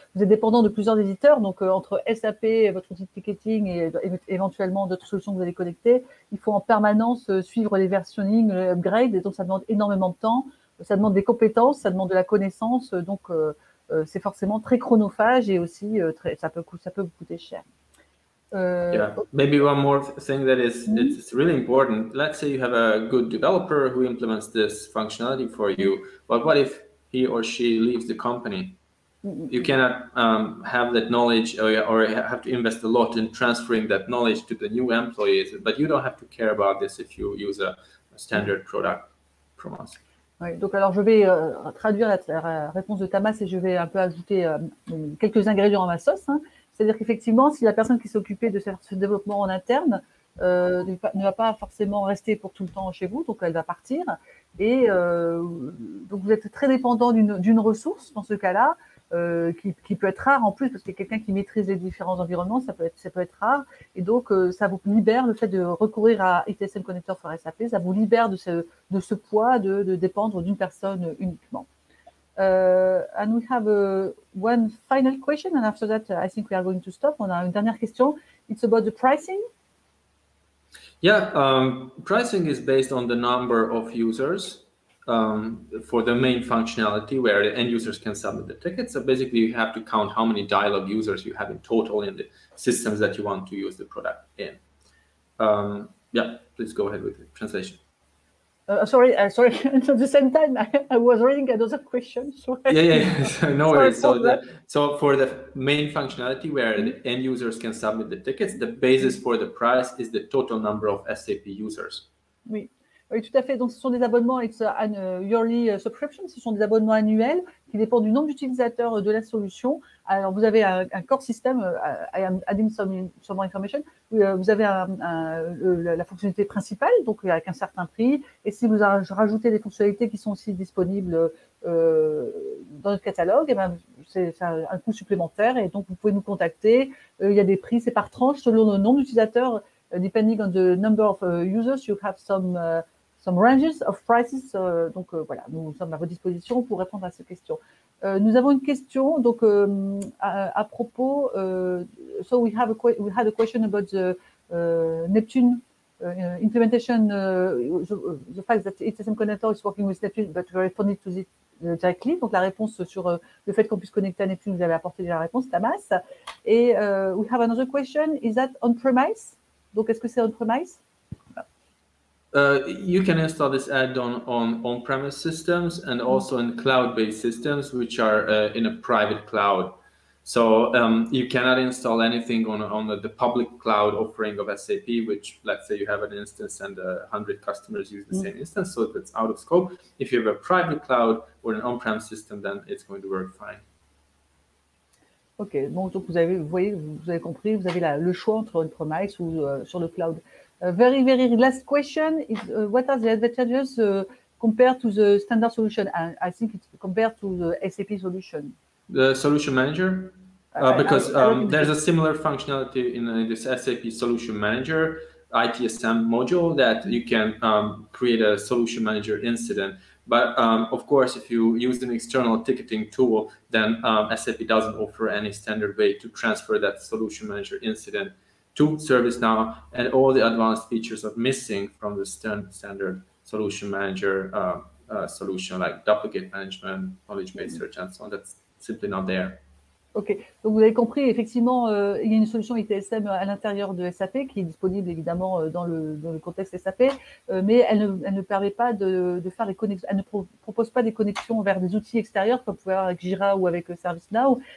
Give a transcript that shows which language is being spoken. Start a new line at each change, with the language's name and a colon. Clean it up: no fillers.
French: Vous êtes dépendant de plusieurs éditeurs, donc entre SAP, votre outil de ticketing et éventuellement d'autres solutions que vous allez collecter, il faut en permanence suivre les versionning, les upgrades, et donc ça demande énormément de temps. Ça demande des compétences, ça demande de la connaissance, donc c'est forcément très chronophage et aussi très, ça peut coûter cher.
English: Yeah, maybe one more thing that is it's really important. Let's say you have a good developer who implements this functionality for you, but what if he or she leaves the company? You cannot have that knowledge or have to invest a lot in transferring that knowledge to the new employees, but you don't have to care about this if you use a standard product from us.
French: Oui, donc alors je vais traduire la réponse de Tamas et je vais un peu ajouter quelques ingrédients à ma sauce. Hein. C'est-à-dire qu'effectivement, si la personne qui s'occupait de ce développement en interne ne va pas forcément rester pour tout le temps chez vous, donc elle va partir. Et donc vous êtes très dépendant d'une ressource dans ce cas-là, qui peut être rare en plus, parce que quelqu'un qui maîtrise les différents environnements, ça peut être rare. Et donc ça vous libère, le fait de recourir à ITSM Connector for SAP, ça vous libère de ce poids de dépendre d'une personne uniquement.
English: And we have one final question, and after that I think we are going to stop.
French: On a une dernière question,
English: it's about the pricing. Yeah, pricing is based on the number of users. For the main functionality where the end users can submit the tickets. So basically you have to count how many dialogue users you have in total in the systems that you want to use the product in. Yeah, please go ahead with the translation. Sorry, at the same time, I was reading another question. Sorry. Yeah. No worries. So for the main functionality where the end users can submit the tickets, the basis for the price is the total number of SAP users.
French: Oui. Oui, tout à fait. Donc, ce sont des abonnements,
English: it's a yearly subscription.
French: Ce sont des abonnements annuels qui dépendent du nombre d'utilisateurs de la solution. Alors, vous avez un core system,
English: I am adding some more information.
French: Vous avez la fonctionnalité principale, donc avec un certain prix. Et si vous rajoutez des fonctionnalités qui sont aussi disponibles dans notre catalogue, eh bien, c'est un coût supplémentaire. Et donc, vous pouvez nous contacter. Il y a des prix, c'est par tranche selon le nombre d'utilisateurs.
English: Depending on the number of users, you have some ranges of prices.
French: Donc voilà, nous sommes à votre disposition pour répondre à ces questions. Nous avons une question donc à propos.
English: So we had a question about the Neptune implementation. The fact that ITSM Connector is working with Neptune, but we responded to it directly.
French: Donc la réponse sur le fait qu'on puisse connecter à Neptune, vous avez apporté déjà la réponse, Tamas.
English: Et we have another question. Is that on premise?
French: Donc, est-ce que c'est on-premise?
English: You can install this add-on on on-premise systems and also in cloud-based systems, which are in a private cloud. So you cannot install anything on the public cloud offering of SAP, which, let's say, you have an instance and 100 customers use the same instance, so that's out of scope. If you have a private cloud or an on-prem system, then it's going to work fine.
French: OK, bon, donc vous avez compris, vous avez le choix entre on-premise ou sur le cloud.
English: Very, very last question is, what are the advantages compared to the standard solution? I think it's compared to the SAP solution. The solution manager, because there's a similar functionality in this SAP solution manager ITSM module that you can create a solution manager incident. But of course, if you use an external ticketing tool, then SAP doesn't offer any standard way to transfer that solution manager incident to ServiceNow, and all the advanced features are missing from the standard solution manager solution, like duplicate management, knowledge base search, and so on. That's simply not there. OK.
French: Donc, vous avez compris, effectivement, il y a une solution ITSM à l'intérieur de SAP qui est disponible, évidemment, dans le contexte SAP, mais elle ne permet pas de faire les connexions. Elle ne propose pas des connexions vers des outils extérieurs comme pouvoir avec Jira ou avec ServiceNow.